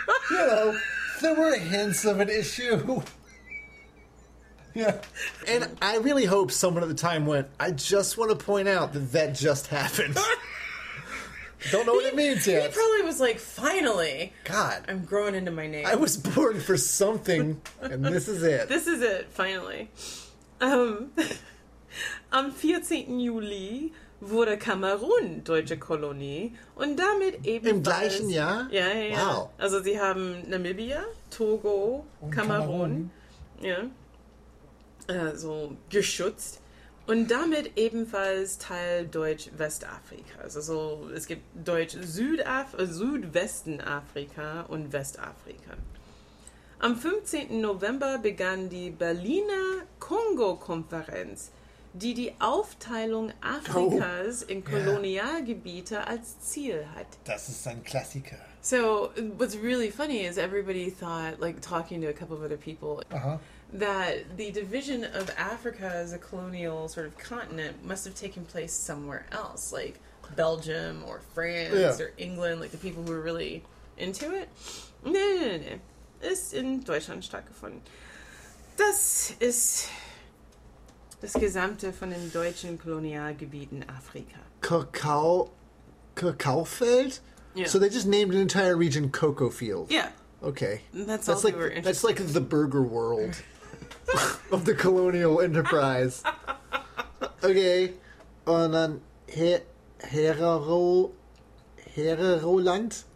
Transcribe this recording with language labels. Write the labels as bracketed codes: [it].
[en] You know, there were hints of an issue. Yeah, and I really hope someone at the time went, I just want to point out that that just happened. Don't know what it means yet. He probably was like, finally. God. I'm growing into my name. I was born for something, and this is it. This is it, finally. [de] Am 14. Juli wurde Kamerun deutsche Kolonie und damit ebenfalls... Im gleichen Jahr? Ja, ja, ja. Wow. Also sie haben Namibia, Togo, Kamerun. Ja. So geschützt und damit ebenfalls Teil Deutsch-Westafrikas. Also es gibt Südwesten Afrika und Westafrika. Am 15. November begann die Berliner Kongo-Konferenz, die die Aufteilung Afrikas in Kolonialgebiete als Ziel hat. Das ist ein Klassiker. [en] So what's really funny is everybody thought, like talking to a couple of other people, that the division of Africa as a colonial sort of continent must have taken place somewhere else, like Belgium or France or England, like the people who were really into it. [de] No. Ist in Deutschland stattgefunden. Das ist das Gesamte von den deutschen Kolonialgebieten Afrika. Kakaofeld? [en] Yeah. So they just named an entire region Cocoa Field. Yeah. Okay. That's all like, we were interested in. That's like the burger world. of the colonial enterprise. Okay. [de] Und dann Hereroland?